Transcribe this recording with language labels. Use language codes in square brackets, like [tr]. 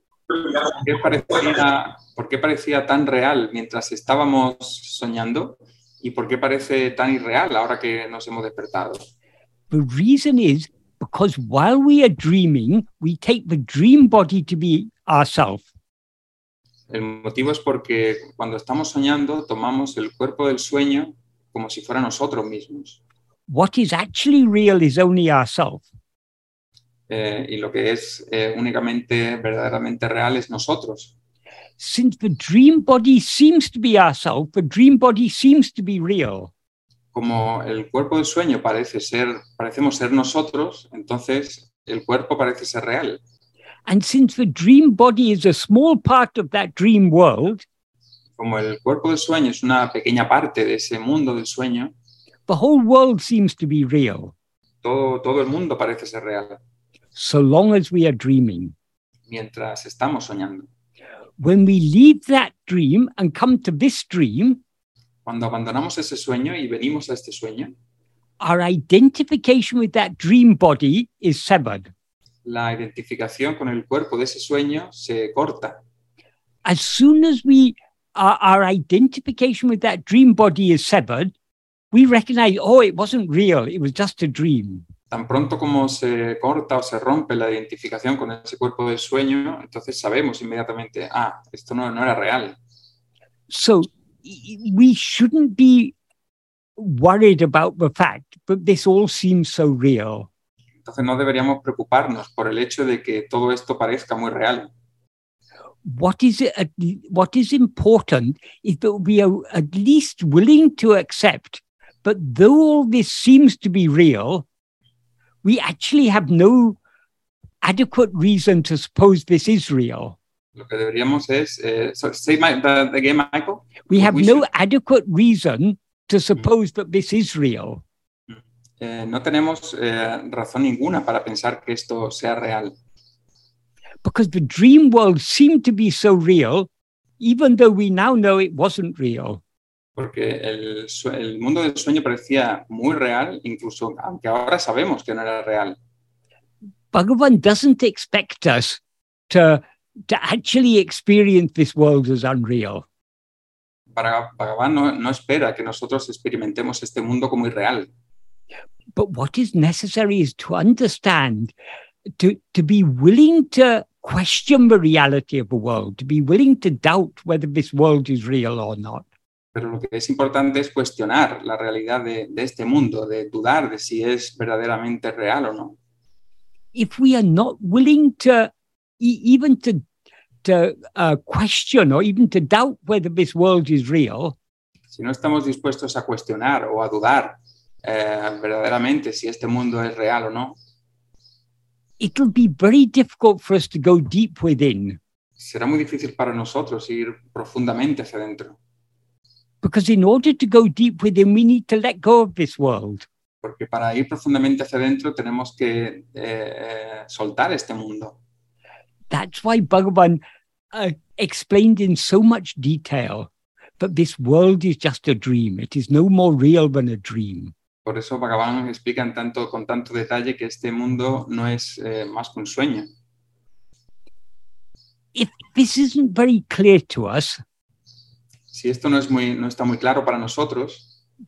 [es] ¿Por qué parecía tan real mientras estábamos soñando y por qué parece tan irreal ahora que nos hemos despertado? [en] The reason is, because while we are dreaming, we take the dream body to be ourselves. [es] El motivo es porque cuando estamos soñando, tomamos el cuerpo del sueño como si fuera nosotros mismos. [en] What is actually real is only ourselves. [es] Y lo que es únicamente, verdaderamente real es nosotros. [en] Since the dream body seems to be ourselves, the dream body seems to be real. [es] Como el cuerpo del sueño parecemos ser nosotros, entonces el cuerpo parece ser real. [en] And since the dream body is a small part of that dream world, [es] como el cuerpo del sueño es una pequeña parte de ese mundo del sueño, [en] the whole world seems to be real. [es] Todo el mundo parece ser real. [en] So long as we are dreaming. [es] Mientras estamos soñando. [en] When we leave that dream and come to this dream, [es] cuando abandonamos ese sueño y venimos a este sueño, [en] our identification with that dream body is severed. [es] La identificación con el cuerpo de ese sueño se corta. [en] As soon as we our identification with that dream body is severed, we recognize, oh, it wasn't real, it was just a dream. [es] Tan pronto como se corta o se rompe la identificación con ese cuerpo de sueño, entonces sabemos inmediatamente, ah, esto no era real. [en] So we shouldn't be worried about the fact that this all seems so real. [es] Entonces no deberíamos preocuparnos por el hecho de que todo esto parezca muy real. [en] What is important is that we are at least willing to accept that though all this seems to be real, we actually have no adequate reason to suppose this is real. [es] Lo que deberíamos es, [en] say that again, [es] Michael. [en] We have no adequate reason to suppose that this is real. [es] No tenemos razón ninguna para pensar que esto sea real. [en] Because the dream world seemed to be so real, even though we now know it wasn't real. [es] Porque el mundo del sueño parecía muy real, incluso aunque ahora sabemos que no era real. [en] Bhagavan doesn't expect us to actually experience this world as unreal. [es] Bhagavan no espera que nosotros experimentemos este mundo como irreal. [en] But what is necessary is to understand, to be willing to question the reality of the world, to be willing to doubt whether this world is real or not. [es] Pero lo que es importante es cuestionar la realidad de este mundo, de dudar de si es verdaderamente real o no. [en] If we are not willing to even to question or even to doubt whether this world is real, [es] si no estamos dispuestos a cuestionar o a dudar verdaderamente si este mundo es real o no, [en] it'll be very difficult for us to go deep within. [es] Será muy difícil para nosotros ir profundamente hacia adentro. [en] Because in order to go deep within, we need to let go of this world. [es] Porque para ir profundamente hacia adentro tenemos que soltar este mundo. [en] That's why Bhagavan explained in so much detail that this world is just a dream. It is no more real than a dream. [es] Por eso Bhagavan explica con tanto detalle que este mundo no es más que un sueño. [en] If this isn't very clear to us, [es] si esto no está muy claro para nosotros,